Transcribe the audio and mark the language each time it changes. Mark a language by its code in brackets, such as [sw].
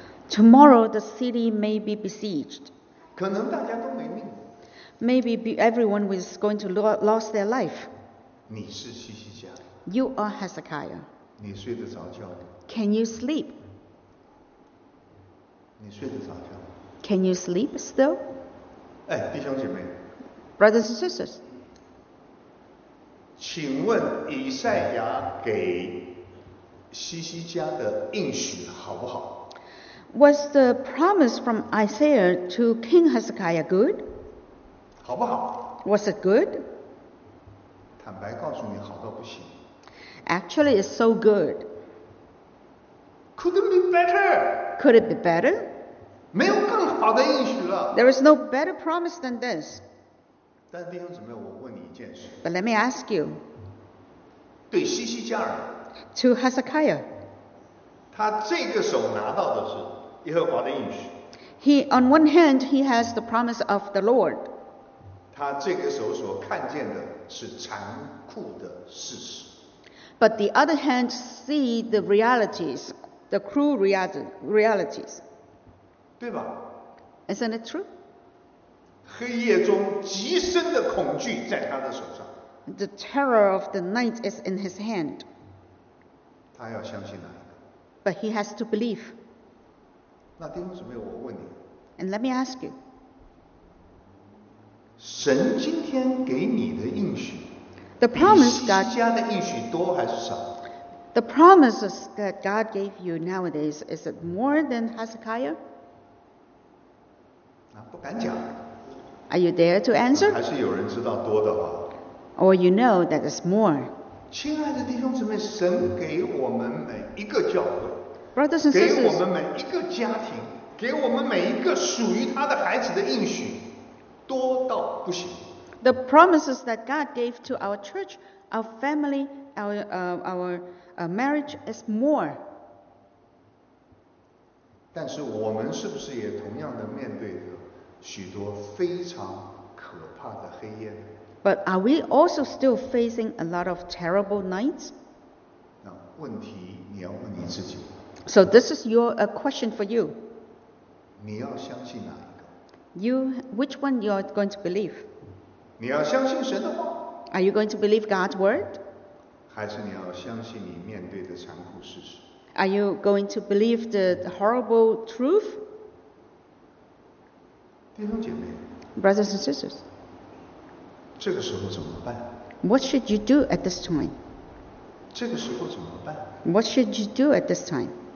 [en] Tomorrow the city may be besieged. [zh] 可能大家都没命。 [en] Maybe everyone was going to lose their life. [zh] 你是西西家。 [en] You are Hezekiah. [zh] 你睡得着觉吗？ [en] Can you sleep? [zh] 你睡得着觉吗？ [en] Can you sleep still? [zh] 哎，弟兄姐妹 [en] ，Brothers and sisters， [zh] 请问以赛亚给西西家的应许好不好 [en] ？Was the promise from Isaiah to King Hezekiah good？ [zh] 好不好 [en] ？Was it good？ [zh] 坦白告诉你，好到不行。 [en] Actually, it's so good. Could it be better? Could it be better? [zh] 没有更好的应许了。 [en] There is no better promise than this. [zh] 但弟兄姊妹，我问你一件事。 [en] But let me ask you. [zh] 对西西家人。 [en] To Hezekiah. [zh] 他这个手拿到的是耶和华的应许。 [en] He, on one hand, he has the promise of the Lord. [zh] 他这个手所看见的是残酷的事实。 [en] But the other hand, see the realities, the cruel realities. [zh] 对吧？ [en] Isn't it true? [zh] 黑夜中极深的恐惧在他的手上。 [en] The terror of the night is in his hand. [zh] 他要相信哪一个？ [en] But he has to believe. [zh] 那弟兄姊妹，我问你。 [en] And let me ask you. [zh] 神今天给你的应许， [en] The promise God, [zh] 比西西家的应许多还是少？ [en] The promises that God gave you nowadays, is it more than Hezekiah? [zh] 不敢讲。 [en] Are you there to answer? [zh] 还是有人知道多的话。 [en] Or you know that it's more. [zh] 亲爱的弟兄姊妹，神给我们每一个教会， [en] Brothers and sisters, [zh] 给我们每一个家庭，给我们每一个属于他的孩子的应许，多到不行。 [en] The promises that God gave to our church, our family, our marriage is more. [zh] 但是我们是不是也同样的面对着许多非常可怕的黑夜？ [en] But are we also still facing a lot of terrible nights? [zh] 那问题你要问你自己。 [en] So this is a question for you. [zh] 你要相信哪一个？ [en] Which one you are going to believe? [zh] 你要相信神的话？ [en] Are you going to believe God's word? [zh] 还是你要相信你面对的残酷事实？ [en] Are you going to believe the horrible truth? [zh] 弟兄姐妹， [en] Brothers and sisters, [zh] 这个时候怎么办？ [en] What should you do at this time? [zh] 这个时候怎么办？ [en] What should you do at this time?